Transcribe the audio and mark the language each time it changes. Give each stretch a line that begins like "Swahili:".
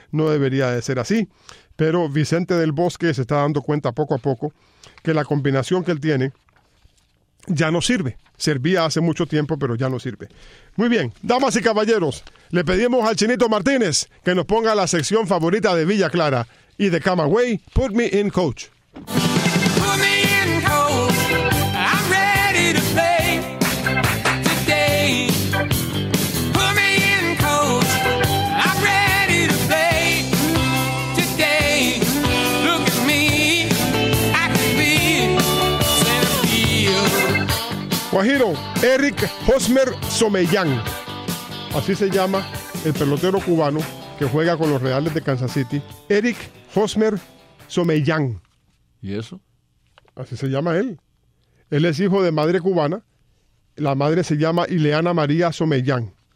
Spanish: No debería de ser así, pero Vicente del Bosque se está dando cuenta poco a poco que la combinación que él tiene ya no sirve. Servía hace mucho tiempo, pero ya no sirve. Muy bien, damas y caballeros, le pedimos al Chinito Martínez que nos ponga la sección favorita de Villa Clara y de Camagüey, Put Me In Coach.
English: Put me in coach, I'm ready to play today. Put me in coach, I'm ready to play today. Look at me, I can be centerfield.
Spanish: Guajiro, Eric Hosmer Somellán. Así se llama el pelotero cubano que juega con los Reales de Kansas City, Eric Hosmer Somellán. ¿Y eso? Así se llama él. Él es hijo de madre cubana. La madre se llama Ileana María Somellán.